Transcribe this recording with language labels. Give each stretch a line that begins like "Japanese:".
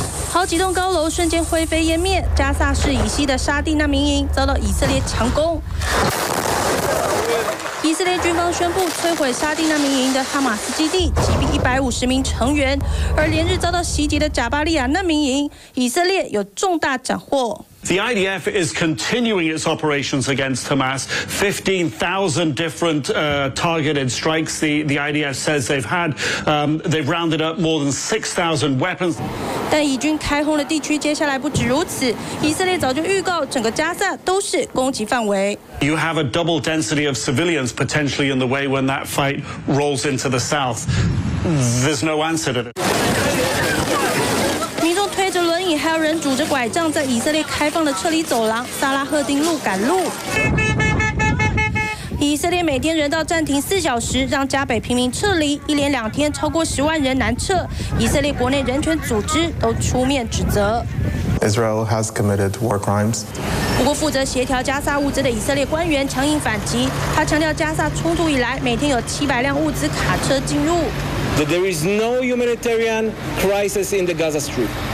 Chinese: 好几栋高楼瞬间灰飞烟灭，加萨市以西的沙地那民营遭到以色列强攻。以色列军方宣布摧毁沙地那民营的哈马斯基地，击毙150名成员。而连日遭到袭击的贾巴利亚那民营，以色列有重大斩获。
English: The IDF is continuing its operations against Hamas. 15,000 different targeted strikes. The IDF says they've had, they've rounded up more than 6,000 weapons.
Chinese: 但以军开轰的地区接下来不止如此，以色列早就预告整个加萨都是攻击范围。
English: You have a double density of civilians potentially in the way when that fight rolls into the south. There's no answer to it.
Chinese: 民众推着轮椅，还有人拄着拐杖，在以色列开放的撤离走廊萨拉赫丁路赶路。以色列每天人道暂停四小时，让加北平民撤离，一连两天超过10万人难撤。以色列国内人权组织都出面指责。
English: Israel has committed war crimes.
Chinese: 不过，负责协调加萨物资的以色列官员强硬反击，他强调加萨冲突以来，每天有700辆物资卡车进入。
English: That there is no humanitarian crisis in the Gaza Strip.